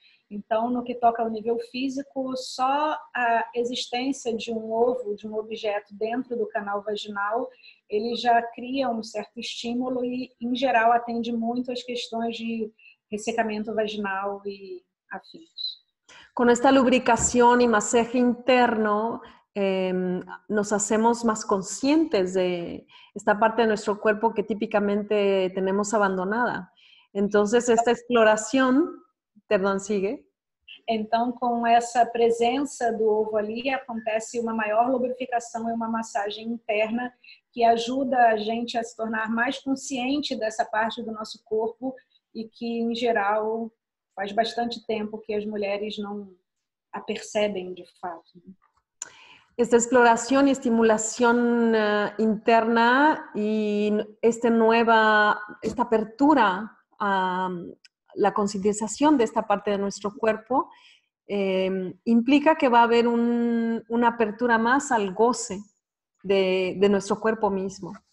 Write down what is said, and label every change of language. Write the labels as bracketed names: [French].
[Portuguese] Então, no que toca ao nível físico, só a existência de um ovo, de um objeto dentro do canal vaginal, ele já cria um certo estímulo e, em geral, atende muito às questões de ressecamento vaginal e afins. Com esta lubrificação e massagem interno, [Spanish] nos hacemos más conscientes de esta parte de nuestro cuerpo que típicamente tenemos abandonada. Entonces, esta [Portuguese] exploração... [Spanish] Perdón, sigue. [Portuguese] Então, com essa presença do ovo ali, acontece uma maior lubrificação e uma massagem interna que ajuda a gente a se tornar mais consciente dessa parte do nosso corpo e que, em geral, faz bastante tempo que as mulheres não a percebem de fato. Esta exploração e estimulação interna [Spanish] e esta nova, esta abertura a la concientización de esta parte de nuestro cuerpo implica que va a haber una apertura más al goce de nuestro cuerpo mismo.